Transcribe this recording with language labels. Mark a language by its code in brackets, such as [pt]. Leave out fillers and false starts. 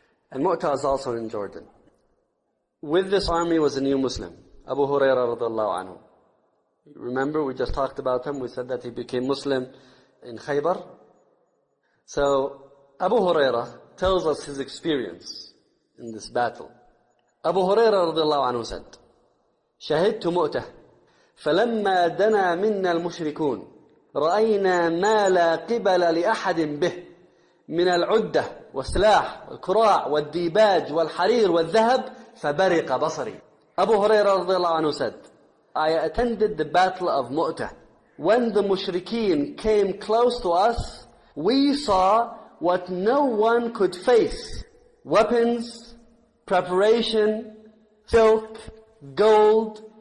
[en] And Mu'ta is also in Jordan. With this army was a new Muslim, Abu Hurairah radiallahu anhu. Remember, we just talked about him. We said that he became Muslim in Khaybar. So Abu Hurairah tells us his experience in this battle. Abu Hurairah radiallahu anhu said, [ar] شهدت مؤتة فلما دنا منا المشركون رأينا ما لا قبل لأحد به من العدة والسلاح والكراع والديباج والحرير والذهب فبرق بصري. [en] Abu Hurairah رضي الله عنه said, I attended the battle of Mu'ta. When the mushrikeen came close to us, we saw what no one could face. Weapons, preparation, silk, gold.